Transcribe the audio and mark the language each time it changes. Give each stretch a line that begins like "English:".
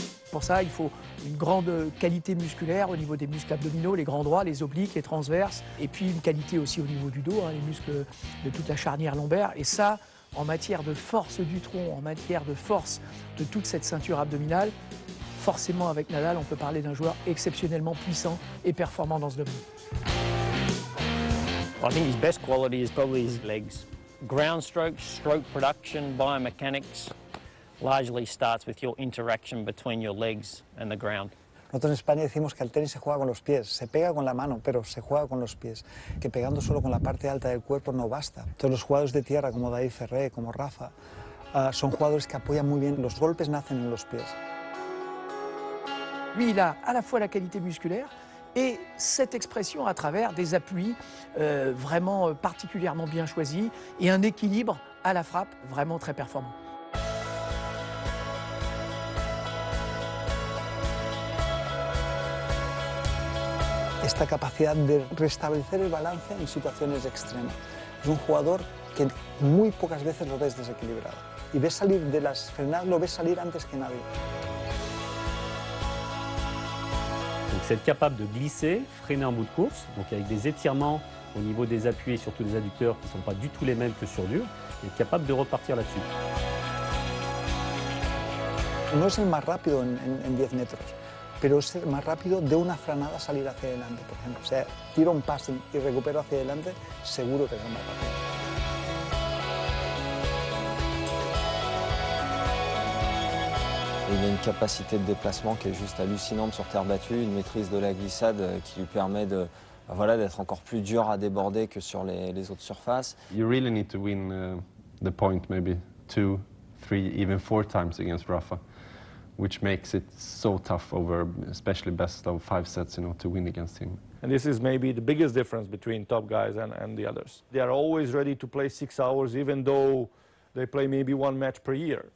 French: Pour ça, il faut une grande qualité musculaire au niveau des muscles abdominaux, les grands droits, les obliques, les transverses, et puis une qualité aussi au niveau du dos, les muscles de toute la charnière lombaire. Et ça, en matière de force du tronc, en matière de force de toute cette ceinture abdominale, forcément avec Nadal, on peut parler d'un joueur exceptionnellement puissant et performant dans ce domaine.
English: I think his best quality is probably his legs. Ground strokes, stroke production, biomechanics, largely starts with your interaction between your legs and the ground.
Spanish: Nosotros en España decimos que el tenis se juega con los pies, se pega con la mano, pero se juega con los pies. Que pegando solo con la parte alta del cuerpo no basta. Entonces los jugadores de tierra como David Ferré, como Rafa, son jugadores que apoyan muy bien. Los golpes nacen en los pies.
French: Lui, il a à la fois la qualité musculaire et cette expression à travers des appuis vraiment particulièrement bien choisis et un équilibre à la frappe vraiment très performant.
Spanish: Esta capacidad de restablecer el balance en situaciones extremas. Es un jugador que muy pocas veces lo ves desequilibrado y ves salir de las frenadas, lo ves salir antes que nadie.
French: C'est être capable de glisser, freiner en bout de course, donc avec des étirements au niveau des appuis et surtout des adducteurs qui ne sont pas du tout les mêmes que sur dur, et être capable de repartir là-dessus.
Spanish: No es el más rápido en 10 metros, pero es el más rápido de una frenada salir hacia adelante, por ejemplo. O sea, tiro un passing y recupero hacia adelante, seguro que es el más rápido.
French: Il a une capacité de déplacement qui est juste hallucinante sur terre battue, une maîtrise de la glissade qui lui permet de, voilà, d'être encore plus dur à déborder que sur les autres surfaces.
English: You really need to win the point maybe 2, 3, even 4 times against Rafa. which makes it so tough over especially best of five sets, you know, to win against him. And this is maybe the biggest difference between top guys and the others. They are always ready to play 6 hours, even though they play maybe one match per year.